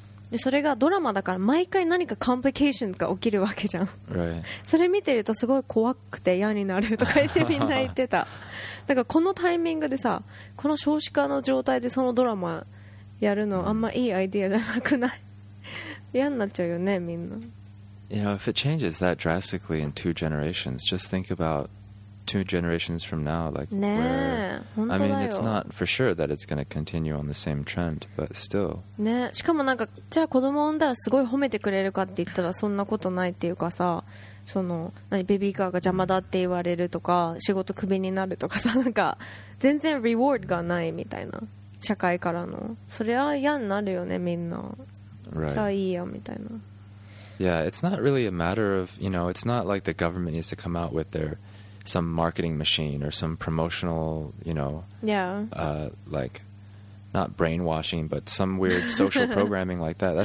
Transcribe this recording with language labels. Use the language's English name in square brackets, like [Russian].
[Japanese] でそれがドラマだから毎回何かコンプリケーションが起きるわけじゃん、 [English] right. [Japanese] それ見てるとすごい怖くて嫌になるとか言ってみんな言ってた。だからこのタイミングでさ、この少子化の状態でそのドラマやるのあんまいいアイディアじゃなくない？嫌になっちゃうよね、みんな。 [English] You know, if it changes that drastically in two generations, just think about two generations from now, like where, [Japanese] 本当だよ。 [English] I mean, it's not for sure that it's going to continue on the same trend, but still. [Japanese] ね、しかもなんか、じゃあ子供を産んだらすごい褒めてくれるかって言ったらそんなことないっていうかさ、その何ベビーカーが邪魔だって言われるとか、仕事クビになるとかさ、なんか全然リワードがないみたいな、社会からの。それは嫌になるよね、みんな。 [English] Right. [Japanese] じゃあいいやみたいな。 [English] Yeah, it's not really a matter of, you know, it's not like the government needs to come out with their some marketing machine or some promotional, you know, yeah, like not brainwashing, but some weird social programming like that.